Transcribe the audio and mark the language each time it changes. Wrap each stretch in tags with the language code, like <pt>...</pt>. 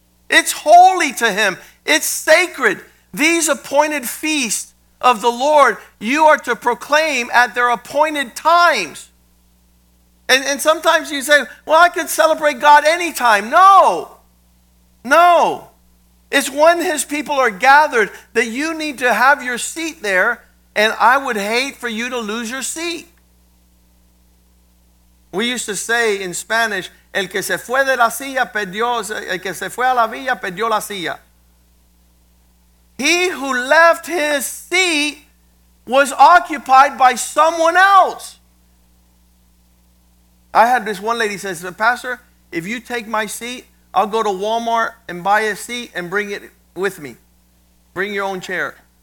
<en>It's holy to him. It's sacred. These appointed feasts of the Lord, you are to proclaim at their appointed times. And sometimes you say, well, I could celebrate God anytime. No. No. It's when his people are gathered that you need to have your seat there, and I would hate for you to lose your seat. We used to say in Spanish,</en> <es>el que se fue de la silla perdió, el que se fue a la villa perdió la silla.</es> <en>He who left his seat was occupied by someone else. I had this one lady says, Pastor, if you take my seat, I'll go to Walmart and buy a seat and bring it with me. Bring your own chair.</en>